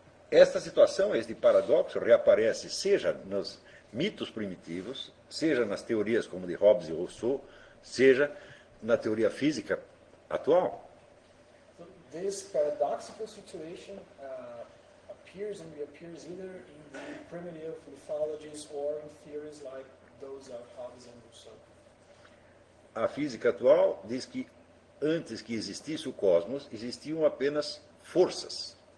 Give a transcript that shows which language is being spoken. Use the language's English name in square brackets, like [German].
[Portuguese] Esta situação, este paradoxo, reaparece seja nos mitos primitivos, seja nas teorias como de Hobbes e Rousseau, seja na teoria física atual. [English] This paradoxical situation appears and reappears either in the primitive mythologies or in theories like those of Hobbes and Rousseau. [Portuguese] A física atual diz que antes que existisse o cosmos, existiam apenas forças.